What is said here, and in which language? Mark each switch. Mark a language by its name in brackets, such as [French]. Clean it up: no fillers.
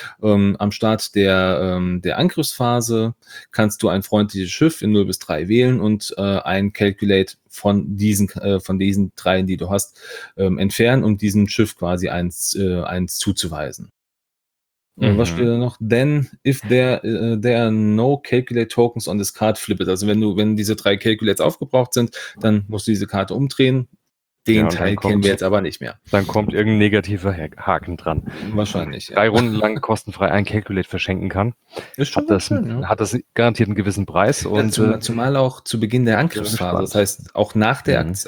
[German] Am Start der Angriffsphase kannst du ein freundliches Schiff in 0 bis 3 wählen und ein Calculate von diesen dreien, die du hast, entfernen, um diesem Schiff quasi eins zuzuweisen. Was steht da noch? [English] Then, if there are no Calculate Tokens on this card, flip it. [German] Also wenn diese drei Calculates aufgebraucht sind, dann musst du diese Karte umdrehen. Den Teil kennen wir jetzt aber nicht mehr. Dann kommt irgendein negativer Haken dran. Wahrscheinlich, ja. 3 Runden lang kostenfrei ein Calculate verschenken kann. Ist schon hat das garantiert einen gewissen Preis. Und ja, zumal auch zu Beginn der Angriffsphase. Das heißt, auch nach der Aktion.